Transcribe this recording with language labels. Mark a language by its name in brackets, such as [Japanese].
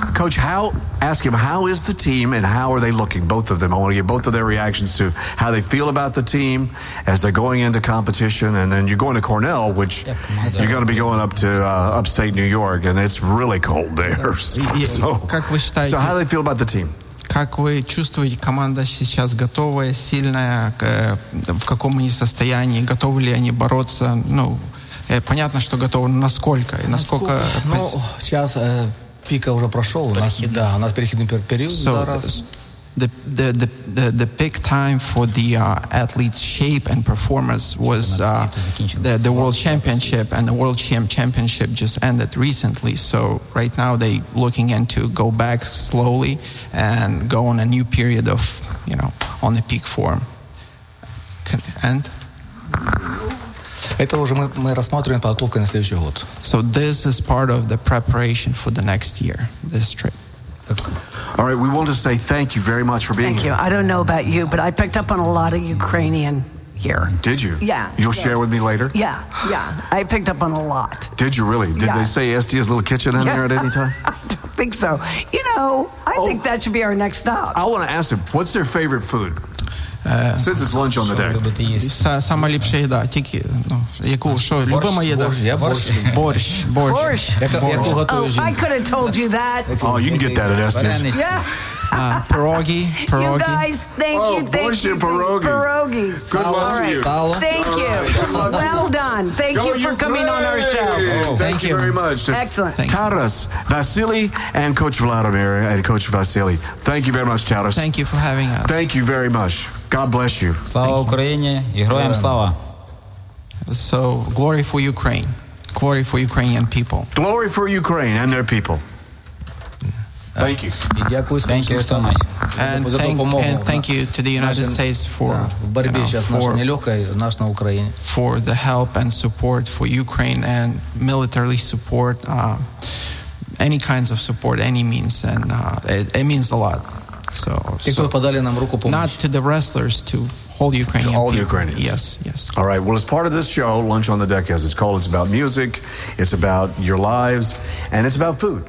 [English] Coach, how is the team and how are they looking, both of them? I want to get both of their reactions to how they feel about the team as they're going into competition. And then you're going to Cornell, which you're going to be going up to upstate New York, and it's really cold there. So how do they feel about the team? [Russian] Как вы чувствуете, команда сейчас готовая, сильная, в каком они состоянии, готовы ли они бороться? Ну, понятно, что готовы, но насколько? И насколько? Ну, сейчас пика уже прошел, у нас переходный период. [English] The peak time for the athlete's shape and performance was the World Championship, and the World Championship just ended recently. So right now they looking into go back slowly and go on a new period of, you know, on the peak form. And? [Russian] Это уже мы рассматриваем подготовкой на следующий год. [English] So this is part of the preparation for the next year, this trip. All right, we want to say thank you very much for being here. Thank you. I don't know about you, but I picked up on a lot of Ukrainian here. Did you? Yeah. You'll share with me later? Yeah, yeah. I picked up on a lot. Did you really? Did they say Estia's little kitchen in there at any time? I don't think so. You know, I think that should be our next stop. I want to ask him, what's their favorite food? Since it's lunch on the deck. [Russian] Самая лучшая еда. [Ukrainian] Тільки, ну, яку, що, [Russian] любимая еда? [English] Борщ. Oh, I could have told you that. Oh, you can get that at Estes. Pierogi. You guys, thank you. Borscht and pierogis. Pierogis. Good luck to you. Salo. Thank you. Well done. Thank you for coming on our show. Thank you very much. Excellent. Taras, Vasily, and Coach Vladimir, and Coach Vasily. Thank you very much, Taras. Thank you for having us. Thank you very much. God bless you. [Ukrainian] Слава Україні і героям слава. [English] So, glory for Ukraine. Glory for Ukrainian people. Glory for Ukraine and their people. Thank you. [Ukrainian] І дякую за допомогу. [English] And thank you to the United States for [Ukrainian] боротьбі зараз наша нелегка наш на Україні. [English] For the help and support for Ukraine and military support, any kinds of support, any means, and it means a lot. So, not to the wrestlers, to all Ukrainians. To all Ukrainians. Yes, yes. All right. Well, as part of this show, Lunch on the Deck, as it's called, it's about music, it's about your lives, and it's about food.